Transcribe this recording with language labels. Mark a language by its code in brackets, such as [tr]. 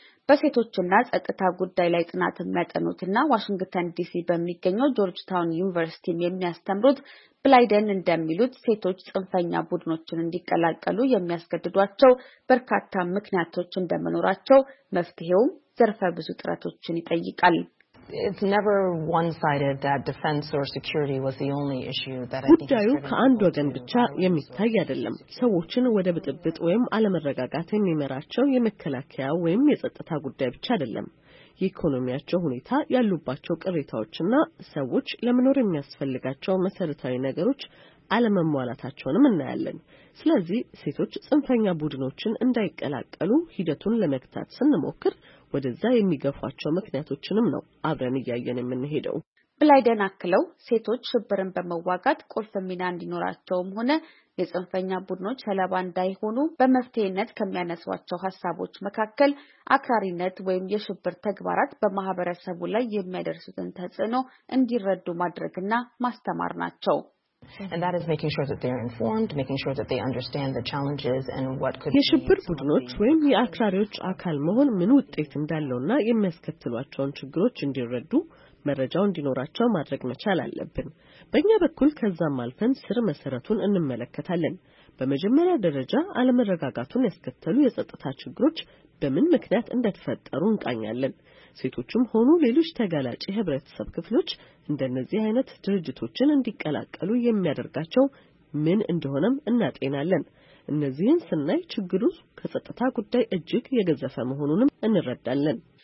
[am] በሴቶችና ጸጥታ ጉዳይ ላይ ጥናት የሚያጠኑትና ዋሽንግተን ዲሲ በሚገኘው ጆርጅ ታውን ዩኒቨርሲቲ የሚያስተምሩት ብላይደን እንደሚሉት ሴቶች ጽንፈኛ ቡድኖችን እንዲቀላቀሉ የሚያስገድዷቸው በርካታ ምክንያቶች እንደመኖራቸው መፍትሄውም ዘርፈ ብዙ ጥረቶችን ይጠይቃል። [en] It's never one-sided that defense or security was the only issue that I think [am] ጉዳዩ ከአንድ ወገን ብቻ የሚታይ አይደለም። ሰዎችን ወደ ብጥብጥ ወይም አለመረጋጋት የሚመራቸው የመከላከያ ወይም የጸጥታ ጉዳይ ብቻ አይደለም። የኢኮኖሚያቸው ሁኔታ ያሉባቸው ቅሬታዎችና ሰዎች ለምኖር የሚያስፈልጋቸው መሰረታዊ ነገሮች አለመሟላታቸውንም እናያለን። ስለዚህ ሴቶች ጽንፈኛ ቡድኖችን እንዳይቀላቀሉ ሂደቱን ለመክታት ስንሞክር ወደዛ የሚገፋቸው ምክንያቶችንም ነው አብረን እያየን የምንሄደው። ብላይደን አክለው ሴቶች ሽብርን በመዋጋት ቁልፍ ሚና እንዲኖራቸውም ሆነ የጽንፈኛ ቡድኖች ሰለባ እንዳይሆኑ በመፍትሄነት ከሚያነሷቸው ሐሳቦች መካከል አክራሪነት ወይም የሽብር ተግባራት በማህበረሰቡ ላይ የሚያደርሱትን ተጽዕኖ እንዲረዱ ማድረግና ማስተማር ናቸው። [en] And that is making sure that they're informed, making sure that they understand the challenges and what could be. [am] የሽብር ቡድኖች ወይም የአክራሪዎች አካል መሆን ምን ውጤት እንዳለውና የሚያስከትሏቸውን ችግሮች እንዲረዱ መረጃው እንዲኖራቸው ማድረግ መቻል አለብን። በእኛ በኩል ከዛም አልፈን ስር መሰረቱን እንመለከታለን። በመጀመሪያ ደረጃ አለመረጋጋቱን ያስከተሉ የጸጥታ ችግሮች በምን ምክንያት እንደተፈጠሩ እንቃኛለን። ሴቶችም ሆኑ ሌሎች ተጋላጭ የህብረተሰብ ክፍሎች እንደነዚህ አይነት ድርጅቶችን እንዲቀላቀሉ የሚያደርጋቸው ምን እንደሆነም እናጤናለን። እነዚህን ስናይ ችግሩ ከጸጥታ ጉዳይ እጅግ የገዘፈ መሆኑንም እንረዳለን።